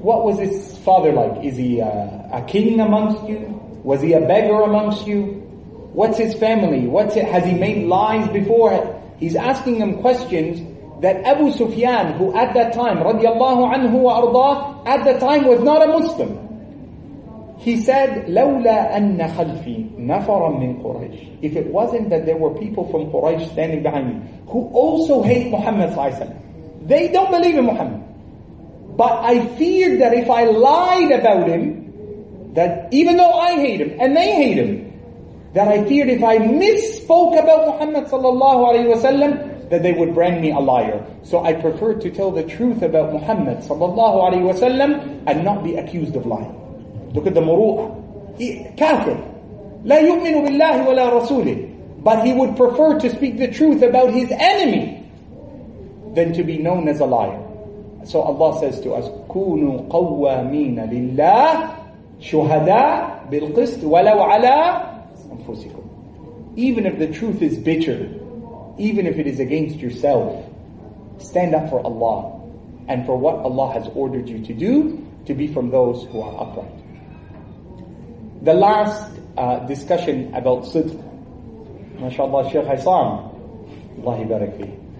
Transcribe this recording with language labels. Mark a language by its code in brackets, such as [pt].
[en] What was his father like? Is he a king amongst you? Was he a beggar amongst you? What's his family? Has he made lies before? He's asking him questions that Abu Sufyan, who at that time, radiallahu anhu wa ardaah, at the time was not a Muslim. He said, [ar] لَوْلَا أَنَّ خَلْفِي نَفَرًا مِّن قُرَيْشِ. [en] If it wasn't that there were people from Quraysh standing behind me, who also hate Muhammad sallallahu alayhi wa sallam. They don't believe in Muhammad. But I feared that if I lied about him, that even though I hate him and they hate him, that I feared if I misspoke about Muhammad sallallahu alayhi wa sallam, that they would brand me a liar. So I prefer to tell the truth about Muhammad sallallahu alayhi wa sallam and not be accused of lying. Look at the muru'ah. Kafir. [ar] لا يؤمن بالله ولا رسوله. [en] But he would prefer to speak the truth about his enemy than to be known as a liar. So Allah says to us, [ar] كونوا قوامين لله شهداء بالقسط ولو على أنفسكم. [en] Even if the truth is bitter, even if it is against yourself, stand up for Allah and for what Allah has ordered you to do, to be from those who are upright. The last discussion about sidq, mashallah, Shaykh Haysam, Allahi barak fi.